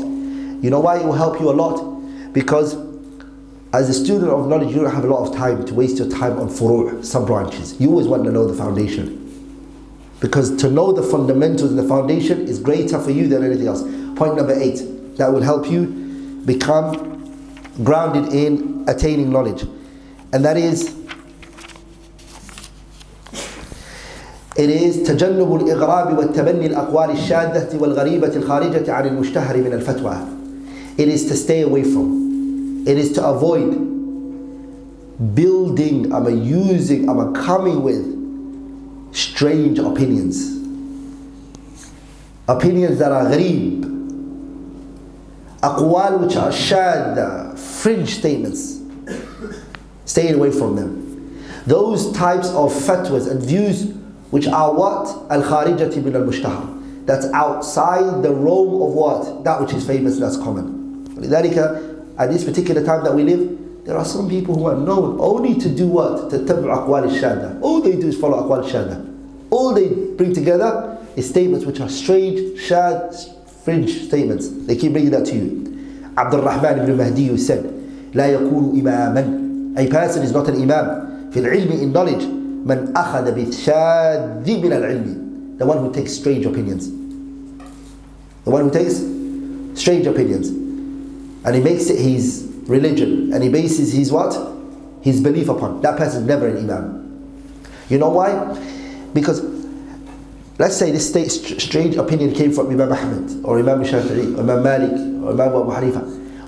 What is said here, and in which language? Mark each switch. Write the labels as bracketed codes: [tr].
[en] You know why it will help you a lot? Because as a student of knowledge, you don't have a lot of time to waste your time on furu', sub-branches. You always want to know the foundation. Because to know the fundamentals and the foundation is greater for you than anything else. Point number 8, that will help you become grounded in attaining knowledge. And that is, it is [ar] تجنب الإغراب والتبني الأقوال الشاذة والغريبة الخارجة عن المشتهر من الفتوى. [en] It is to stay away from. It is to avoid building, coming with strange opinions. Opinions that are ghareeb. Aqwal which are shadda, fringe statements. Stay away from them. Those types of fatwas and views which are what? Al-kharijati bin al-mushtahar. That's outside the realm of what? That which is famous, that's common. At this particular time that we live, there are some people who are known only to do what? To tabu aqwal al-shadda. All they do is follow aqwal al-shadda. All they bring together is statements which are strange, shad, fringe statements. They keep bringing that to you. AbdulRahman ibn Mahdi said, [ar] لا يكون إماماً. [en] A person is not an imam. [ar] في العلم [en] in knowledge, [ar] من أخذ بالشاذ من العلم. [en] The one who takes strange opinions. The one who takes strange opinions. And he makes it his religion and he bases his what? His belief upon. That person's never an imam. You know why? Because let's say this strange opinion came from Imam Ahmed or Imam Shafi'i or Imam Malik or Imam Abu Hanifa.